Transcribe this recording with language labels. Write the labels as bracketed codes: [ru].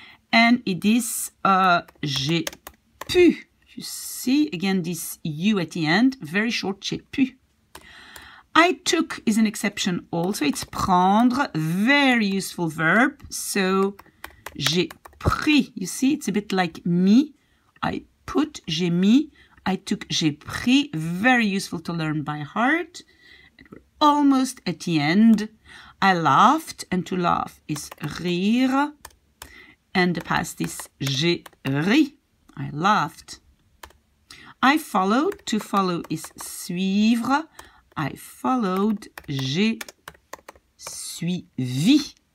[en] And it is [fr] j'ai pu. [en] You see again this u at the end. Very short, [fr] j'ai pu. [en] I took is an exception also. It's prendre, very useful verb. So [fr] j'ai pris, [en] you see, it's a bit like me. I put, [fr] j'ai mis, [en] I took, [fr] j'ai pris. [en] Very useful to learn by heart. And we're almost at the end. I laughed, and to laugh is rire. And the past is [fr] j'ai ri, [en] I laughed. I followed, to follow is suivre. I followed, [fr] j'ai suivi.